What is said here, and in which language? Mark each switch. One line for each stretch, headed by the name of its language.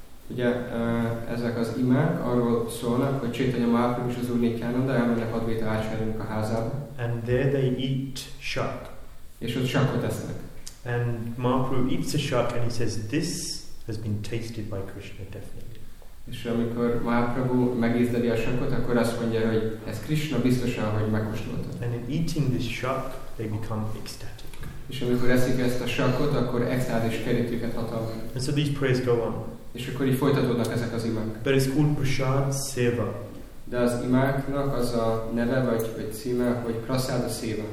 Hungarian: Ugye ezek az imák arról szólnak, hogy Chaitanya Mahaprabhu és az Úr Nityananda elmennek Advaita Acharyának a házába.
English: And there they eat shak.
Hungarian: És ott shakot esznek.
English: And Mahaprabhu eats a shak and he says, this has been tasted by Krishna definitely.
Hungarian: És amikor Mahaprabhu megízleli a shakot, akkor azt mondja, hogy ez Krishna biztosan, hogy megkóstolta.
English: And in eating this shak, they become ecstatic.
Hungarian: És amikor eszik ezt a shakot, akkor extázis kerít őket hatalmi.
English: And so these prayers go on.
Hungarian: És akkor így folytatódnak ezek az imák.
English: But it's called Prasad Seva.
Hungarian: De az imáknak az a neve vagy címe, hogy Prasad Seva.